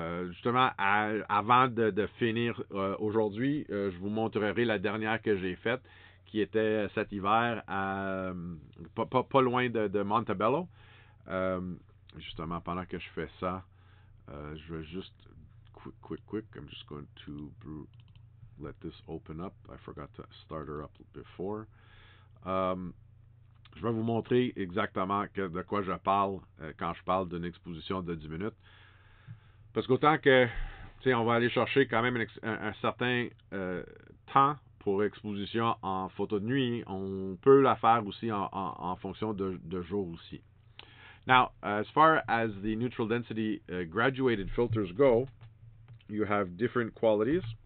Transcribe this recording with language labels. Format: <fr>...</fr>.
<fr>Justement, avant de finir aujourd'hui, je vous montrerai la dernière que j'ai faite, qui était cet hiver, pas loin de Montebello. Justement, pendant que je fais ça, je vais juste...</fr> <en>Quick, I'm just going to let this open up. I forgot to start her up before.</en> <fr>Je vais vous montrer exactement de quoi je parle quand je parle d'une exposition de 10 minutes. Parce qu'autant que, tu sais, on va aller chercher quand même un certain temps pour exposition en photo de nuit, on peut la faire aussi en fonction de jour aussi.</fr> <en>Now, as far as the neutral density graduated filters go, you have different qualities.</en>